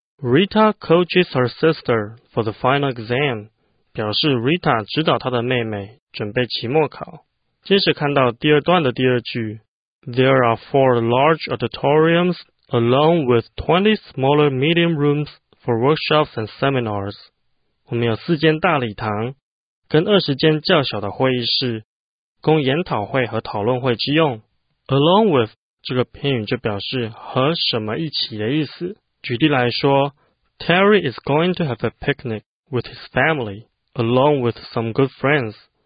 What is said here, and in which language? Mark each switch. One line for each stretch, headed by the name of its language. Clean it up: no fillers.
English: Rita coaches her sister for the final exam
Chinese: 表示 Rita 指导她的妹妹准备期末考。接着看到第二段的第二句
English: There are 4 large auditoriums along with 20 smaller meeting rooms for workshops and seminars.
Chinese: 我们有四间大礼堂跟20间较小的会议室供研讨会和讨论会之用。 Along with 这个片语就表示和什么一起的意思。举例来说
English: Terry is going to have a picnic with his family along with some good friends.